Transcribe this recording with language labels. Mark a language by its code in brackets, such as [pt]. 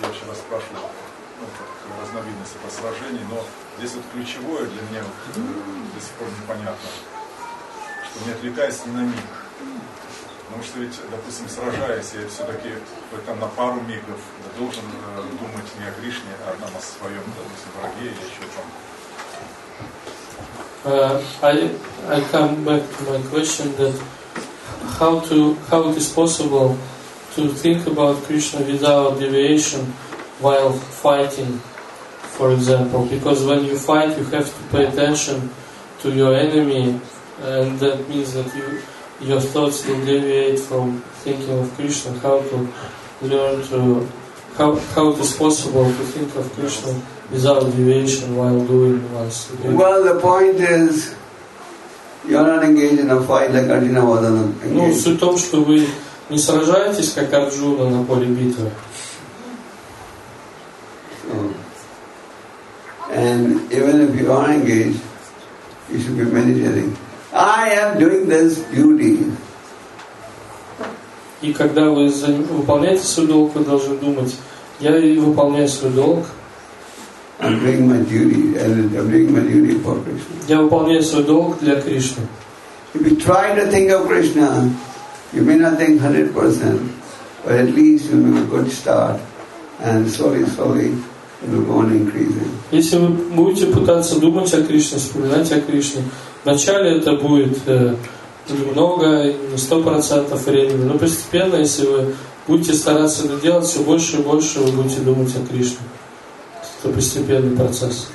[ru] Я вчера спрашивал, ну, как разновидности по сражению, но здесь вот ключевое для меня вот, до сих пор непонятно, что не отвлекаясь ни на миг. Потому что ведь, допустим, сражаясь, я все-таки хоть там на пару мигов должен думать не о Кришне, а там о своем, допустим, враге или еще там. [en] I come back to my question that how it is possible to think about Krishna without deviation while fighting for example, because when you fight, you have to pay attention to your enemy, and that means that you, your thoughts will deviate from thinking of Krishna. How to learn to, how it is possible to think of Krishna without deviation while doing one's duty? Well, the point is, you're not engaged in a fight like Arjuna was engaged. [ru] Ну, суть в том, что вы не сражаетесь как Арджуна на поле битвы. [en] And even if you are engaged, you should be meditating. I am doing this duty. [ru] И когда вы выполняете свой долг, вы должны думать: я выполняю свой долг. [en] I'm doing my duty, and I'm doing my duty for Krishna. [ru] Я выполняю свой долг для Кришны. [en] If you try to think of Krishna, you may not think 100%, but at least you make a good start, and slowly, slowly, it will go on increasing. [ru] Если вы будете пытаться думать о Кришне, вспоминать о Кришне, вначале это будет немного, не 100% времени, но постепенно, если вы будете стараться это делать, все больше и больше вы будете думать о Кришне. Это постепенный процесс.